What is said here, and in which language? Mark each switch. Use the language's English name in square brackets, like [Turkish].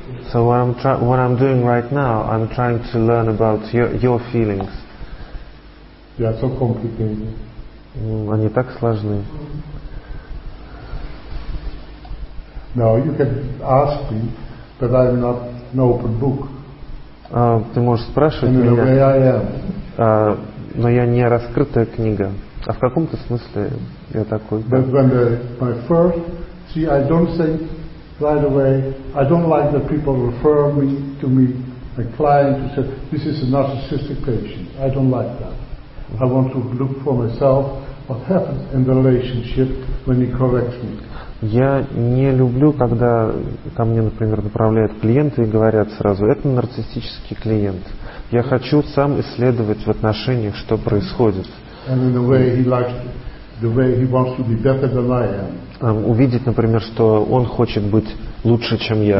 [English] So what I'm doing right now, I'm trying to learn about your feelings. Yeah, it's so complicated. [Russian] Они так сложны. [English] No, you can ask me, but I'm not an open book. [Russian] Ты можешь спрашивать меня. [English] In a way, I am. [Russian] Но я не раскрытая книга. А в каком-то смысле я такой. [English] But when my first, see, I don't say right away. I don't like that people refer me to me a client to say this is a narcissistic patient. I don't like that. I want to look for myself what happens in the relationship when he corrects me. [Russian] Я не люблю, когда ко мне, например, направляют клиенты и говорят сразу: это нарциссический клиент. Я хочу сам исследовать в отношениях, что происходит. [English] And in the way he likes to, the way he wants to be better than I am. [Russian] Увидеть, например, что он хочет быть лучше, чем я.